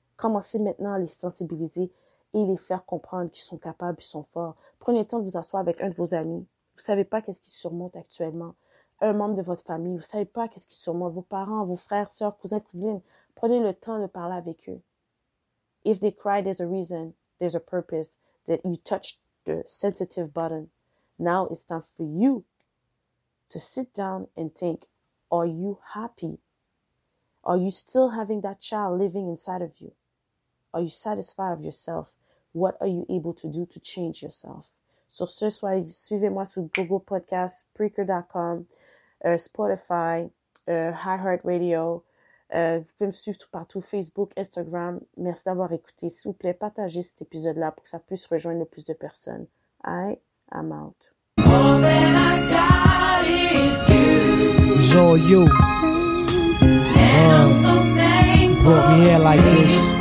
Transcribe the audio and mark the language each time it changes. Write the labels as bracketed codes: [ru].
[fr] Commencez maintenant à les sensibiliser et les faire comprendre qu'ils sont capables, qu'ils sont forts. Prenez le temps de vous asseoir avec un de vos amis. Vous ne savez pas qu'est-ce qui surmonte actuellement. Un membre de votre famille, vous ne savez pas qu'est-ce qui surmonte. Vos parents, vos frères, sœurs, cousins, cousines, prenez le temps de parler avec eux. [en] If they cry, there's a reason, there's a purpose, that you touched the sensitive button. Now it's time for you to sit down and think, are you happy? Are you still having that child living inside of you? Are you satisfied of yourself? What are you able to do to change yourself? [fr] Sur ce, suivez-moi sur Google Podcasts, Spreaker.com, Spotify, iHeartRadio. Vous pouvez me suivre tout partout, Facebook, Instagram. Merci d'avoir écouté. S'il vous plaît, partagez cet épisode-là pour que ça puisse rejoindre le plus de personnes. [en] I am out. It's all you. And I'm so thankful. Brought me here like this.